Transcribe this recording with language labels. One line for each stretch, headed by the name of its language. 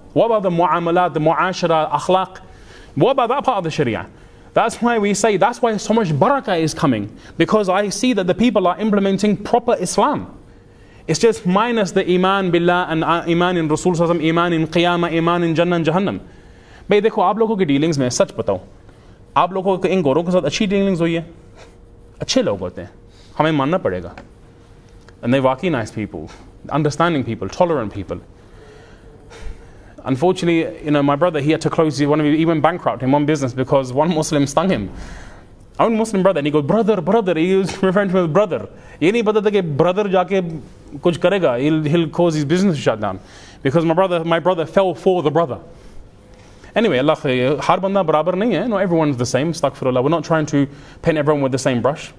English: What about the mu'amalat, the mu'ashara, akhlaq? What about that part of the Sharia? That's why we say, that's why so much barakah is coming. Because I see that the people are implementing proper Islam. It's just minus the iman billah and iman in Rasul Sallallahu Alaihi Wasallam, iman in qiyamah, iman in jannah and jahannam.
Urdu: بھائی، دیکھو، آپ لوگو کی dealings میں سچ بتاؤ. آپ لوگو کی ان گوروں کے ساتھ اچھی dealings ہوئی ہے. اچھے لوگ ہوتے ہیں. ہمے ماننا پڑے گا.
English: And they're waqi nice people, understanding people, tolerant people. Unfortunately, you know, my brother, he had to close, he went bankrupt in one business because one Muslim stung him. Own Muslim brother, and he goes, brother, he was referring to him as brother. Any brother that brother
Urdu: jaake kuch karega,
English: he'll cause his business to shut down. Because my brother fell for the brother.
Urdu: Anyway, اللہ، ہر بندہ برابر نہیں ہے.
English: No, everyone's the same, astaghfirullah. We're not trying to paint everyone with the same brush.